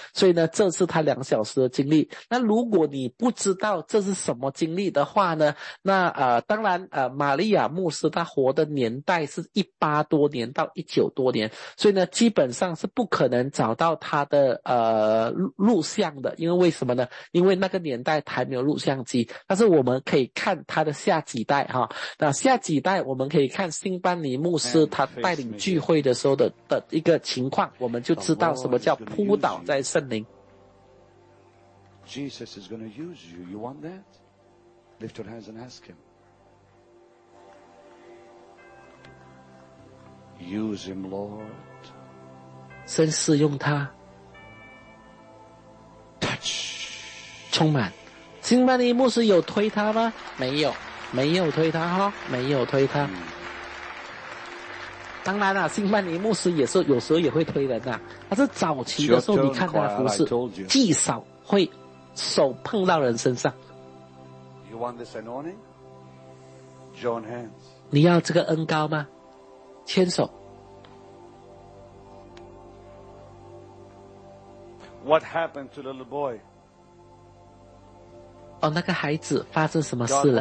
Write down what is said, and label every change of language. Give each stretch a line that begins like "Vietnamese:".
Chinese: 所以呢这是他两小时的经历。那如果你不知道这是什么经历的话呢，那当然玛利亚牧师他活的年代是18多年到19多年，所以呢基本上是不可能找到他的录像的。因为为什么呢？因为那个年代还没有录像机。但是我们可以看他的下几代哈，那下几代我们可以看辛班尼牧师他带领聚会的时候的一个情况，我们就知道什么叫扑倒在圣灵。
English: Jesus is going to use you. You want that? Lift your hands and ask him. Use him, Lord.
Chinese: 神使用他。
English: Touch.
Chinese: 充满。辛班尼牧师有推他吗？没有，没有推他哈，没有推他。当然啦，辛曼尼牧师也是有时候也会推人啦，但是早期的时候你看他的服侍极少会手碰到人身上。
English: You want this anointing? Join hands.
Chinese: 你要这个恩膏吗？牵手。
English: What happened to the little boy?
Chinese: 哦，那个孩子发生什么事了？